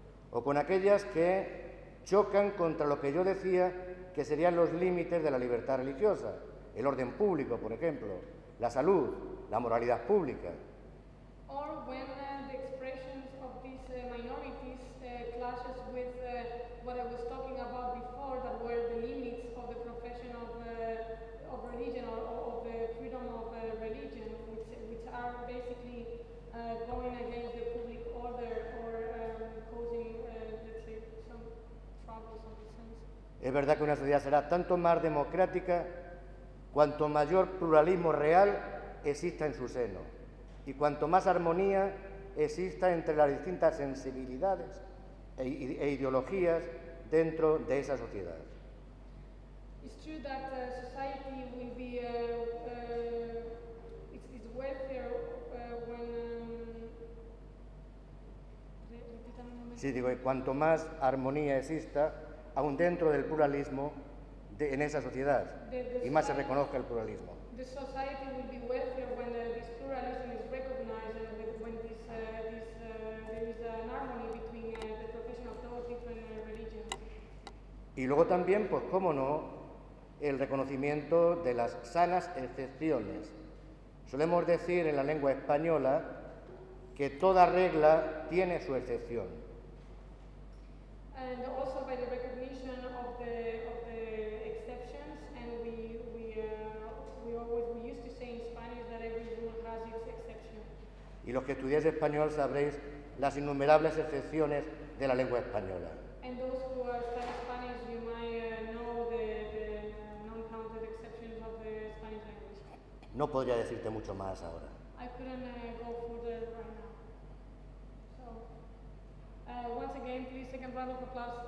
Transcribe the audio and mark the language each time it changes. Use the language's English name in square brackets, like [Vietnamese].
[Spanish] O con aquellas que chocan contra lo que yo decía que serían los límites de la libertad religiosa. El orden público, por ejemplo, la salud, la moralidad pública. [English] Or when the expressions of these minorities clashes with what I was talking about before, that were the limits of the profession of religion or of the freedom of religion, which are basically going against the public order or causing, let's say, some troubles in this sense. [Spanish] Es verdad que una sociedad será tanto más democrática cuanto mayor pluralismo real exista en su seno y cuanto más armonía exista entre las distintas sensibilidades e ideologías dentro de esa sociedad. [English] It's true that society will be it's welfare when [Spanish] sí, digo, y cuanto más armonía exista aún dentro del pluralismo en esa sociedad the y más se reconozca el pluralismo. [English] The society will be welfare when this pluralism is recognized and when this there is an harmony between the profession of those different religions. [Spanish] Y luego también, pues cómo no, el reconocimiento de las sanas excepciones. Solemos decir en la lengua española que toda regla tiene su excepción. [English] And also by the recognition of the exceptions, and we used to say in Spanish that every rule has its exception. [Spanish] Y los que estudiáis español sabréis las innumerables excepciones de la lengua española. [English] And those who are studying Spanish, you might know the non-counted exceptions of the Spanish language. [Spanish] No podría decirte mucho más ahora. [English] I couldn't go further right now. So, once again, please, second round of applause.